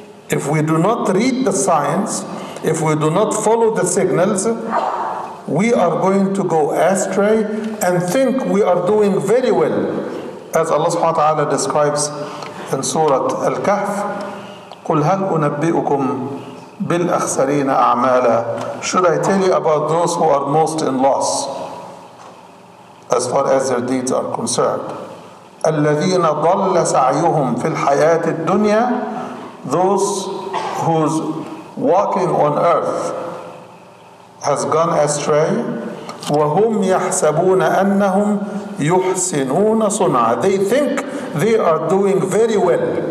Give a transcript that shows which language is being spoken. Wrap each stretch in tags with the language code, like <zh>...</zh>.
<en>If we do not read the signs, if we do not follow the signals, we are going to go astray and think we are doing very well. As Allah subhanahu wa ta'ala describes in Surah Al-Kahf,</en> <ar>قُلْ هَلْ أُنَبِّئُكُمْ بالأخسرين أعمالا.</ar> <en>Should I tell you about those who are most in loss as far as their deeds are concerned?</en> <ar>الذين ضل سعيهم في الحياة الدنيا.</ar> <en>Those whose walking on earth has gone astray.</en> <ar>وهم يحسبون أنهم يحسنون صنعا.</ar> <en>They think they are doing very well.</en>